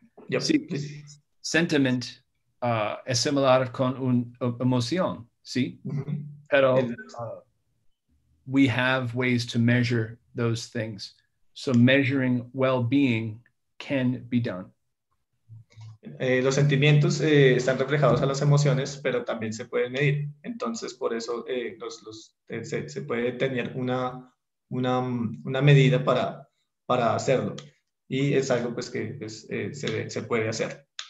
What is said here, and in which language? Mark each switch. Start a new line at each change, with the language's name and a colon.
Spanish: Yep. Sí, sentiment es similar con una emoción, ¿sí? Mm-hmm.
English: Pero we have ways to measure those things. So measuring well-being can be done.
Spanish: Los sentimientos están reflejados a las emociones, pero también se pueden medir. Entonces, por eso se puede tener una medida para hacerlo. Y es algo pues, que pues, se puede hacer.